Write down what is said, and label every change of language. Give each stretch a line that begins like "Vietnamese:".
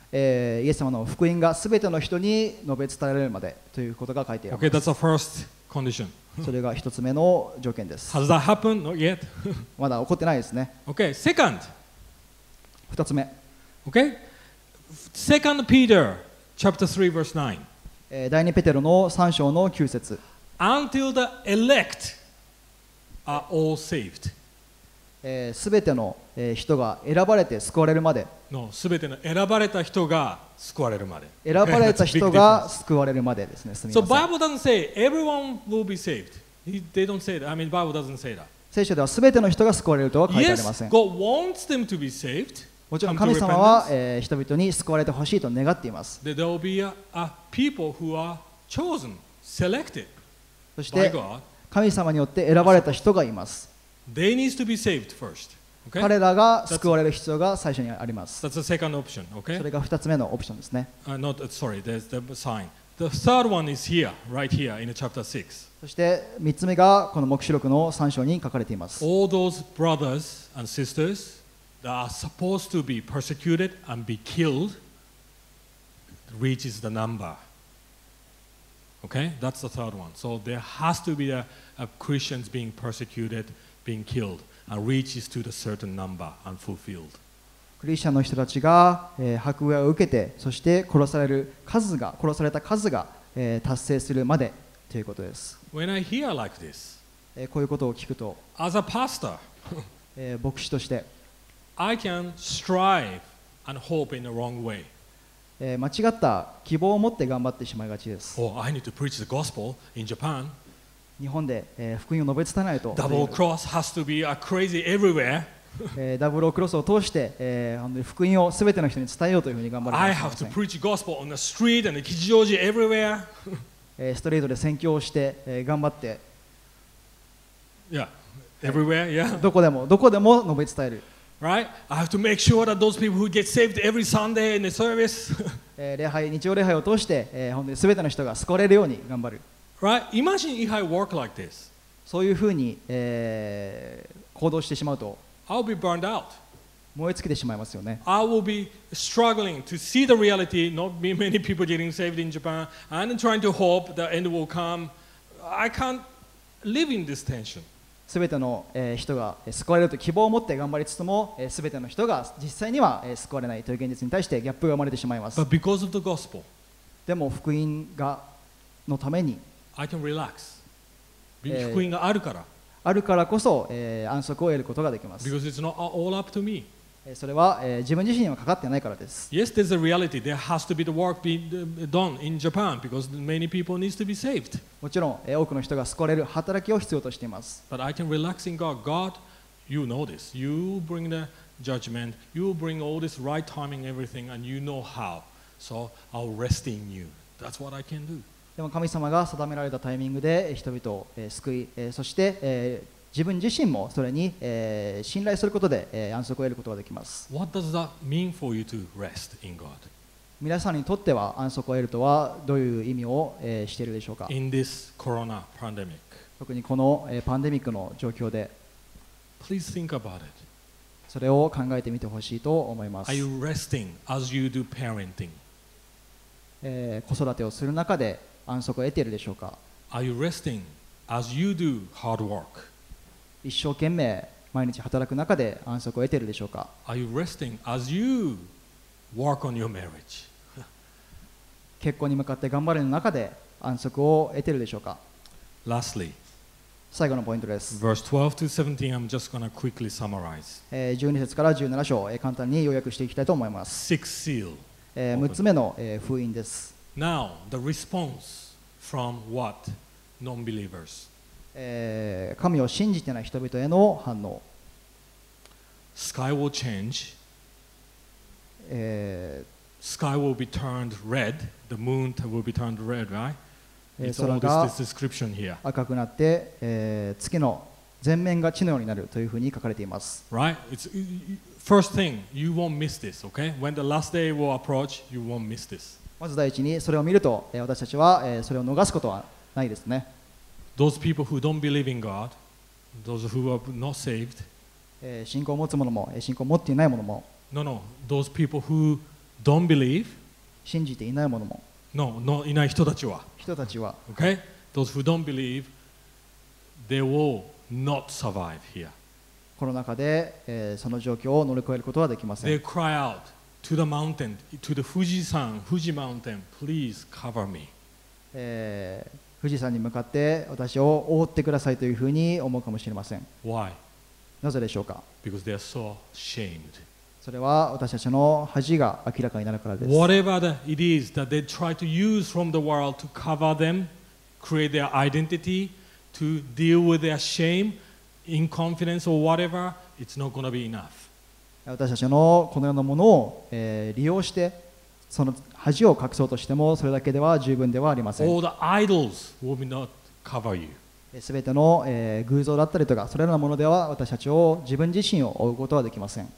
Japanese: イエス様の福音がすべての人に述べ伝えられるまでということが書いています。
English: Okay, that's the first condition.
Japanese: それが一つ目の条件です。
English: Has that happened? Not yet.
Japanese: まだ起こってないですね。
English: Okay, second.
Japanese: 二つ目。
English: Okay, second Peter. Chapter 3, verse 9.
Japanese: 第2ペテロの3章の9節。
English: Until the elect are all saved.
Japanese: すべての人が選ばれて救われるまで。 No, 全ての選ばれた人が救われるまで。選ばれた人が救われるまでですね。すみません。
English: So Bible doesn't say everyone will be saved. They don't say that. I mean, Bible doesn't say that.
Japanese: 聖書では全ての人が救われるとは書いてありません。
English: Yes, God wants them to be saved.
Japanese: もちろん神様は人々に救われてほしいと願っています。
English: That there will be a people who are chosen, selected by God.
Japanese: そして神様によって選ばれた人がいます。
English: They need to be saved first. Okay?
Japanese: 彼らが救われる必要が最初にあります。
English: That's the second option. Okay?
Japanese: それが二つ目のオプションですね。
English: There's the sign. The third one is here, right here in chapter 6.
Japanese: そして三つ目がこの黙示録の3章に書かれています。
English: All those brothers and sisters that are supposed to be persecuted and be killed reaches the number. Okay? That's the third one. So there has to be a Christians being persecuted. Being killed and reaches to the certain number and fulfilled.
Japanese: クリスチャンの人たちが迫害を受けて、そして殺される数が殺された数が達成するまでということです。
English: When I hear like this,
Japanese: こういうことを聞くと、
English: as a pastor,
Japanese: 牧師として、
English: I can strive and hope in the wrong way.
Japanese: 間違った希望を持って頑張ってしまいがちです。
English: Or I need to preach the gospel in Japan.
Japanese: 日本で福音を述べ伝えないと。
English: ダブルクロス has to be a crazy everywhere.
Japanese: ダブルクロスを通して福音を全ての人に伝えようというふうに頑張ります。
English: I have to preach gospel on the street and 吉祥寺 everywhere.
Japanese: ストレートで宣教をして頑張って。
English: Yeah, everywhere, yeah.
Japanese: どこでも述べ伝える。
English: Right? I have to make sure that those people who get saved every Sunday in the service.
Japanese: 礼拝日曜礼拝を通して本当に全ての人が救われるように頑張る。
English: Right? Imagine if I work like this.
Japanese: そういうふうに、行動してしまうと、
English: I'll be burned out.
Japanese: 燃え尽きてしまいますよね。
English: I will be struggling to see the reality, not be many people getting saved in Japan, and trying to hope the end will come. I can't live in this tension.
Japanese: 全ての、人が救われると希望を持って頑張りつつも、全ての人が実際には救われないという現実に対してギャップが生まれてしまいます。
English: But because of the gospel,
Japanese: でも福音がのために。
English: I can relax.
Japanese: 福音があるから。あるからこそ、安息を得ることができます。
English: Because it's not all up to me.
Japanese: それは、自分自身にはかかってないからです。
English: Yes, there's a reality. There has to be the work being done in Japan because many people need to be saved.
Japanese: もちろん、多くの人が救われる働きを必要としています。
English: But I can relax in God. God, you know this. You bring the judgment. You bring all this right timing, everything, and you know how. So I'll rest in you. That's what I can do.
Japanese: でも神様が定められたタイミングで人々を救い、そして自分自身もそれに信頼することで安息を得ることができます。
English: What does that mean for you to rest in God?
Japanese: 皆さんにとっては安息を得るとはどういう意味をしているでしょうか?
English: In this corona pandemic.
Japanese: 特にこのパンデミックの状況で。
English: Please think about it.
Japanese: それを考えてみてほしいと思います。
English: Are you resting as you do parenting?
Japanese: 子育てをする中で安息を得ているでしょうか。
English: Are you resting as you do hard work?
Japanese: 一生懸命毎日働く中で安息を得ているでしょうか。
English: Are you resting as you work on your marriage?
Japanese: 結婚に向かって頑張る中で安息を得ているでしょうか。
English: Lastly,
Japanese: 最後のポイントです。
English: Verse 12 to 17, I'm just going to quickly summarize.
Japanese: 12節から17章、簡単に要約していきたいと思います。
English: Sixth seal.
Japanese: 6つ目の封印です。
English: Now, the response from what non-believers?
Japanese: 神を信じてない人々への反応。
English: Sky will change. Sky will be turned red. The moon will be turned red, right? It's all this description here.
Japanese: 赤くなって、月の全面が地のようになるというふうに書かれています。
English: Right? It's, first thing, you won't miss this, okay? When the last day will approach, you won't miss this.
Japanese: まず第一にそれを見ると私たちはそれを逃すことはないですね。
English: Those people who don't believe in God, those who are not saved,
Japanese: 信仰を持つ者も信仰を持っていない者も。
English: No, no, those people who don't believe,
Japanese: 信じていない者も。
English: No, no,
Japanese: いない人たちは。人たちは。
English: Okay? Those who don't believe, they will not survive here.
Japanese: この中でその状況を乗り越えることはできません。
English: They cry out. To the mountain, to the Fuji-san, Fuji mountain, please cover me.
Japanese: Fuji-san に向かって私を覆ってくださいというふうに思うかもしれません。
English: Why?
Japanese: なぜでしょうか?
English: Because they are so ashamed.
Japanese: それは私たちの恥が明らかになるからです。
English: Whatever it is that they try to use from the world to cover them, create their identity, to deal with their shame, inconfidence or whatever, it's not going to be enough.
Japanese: 私たちのこのようなものを、利用してその恥を隠そうとしてもそれだけでは十分ではありません。
English: All the idols will not cover you.
Japanese: 全ての、偶像だったりとかそれらのものでは私たちを自分自身を追うことはできません。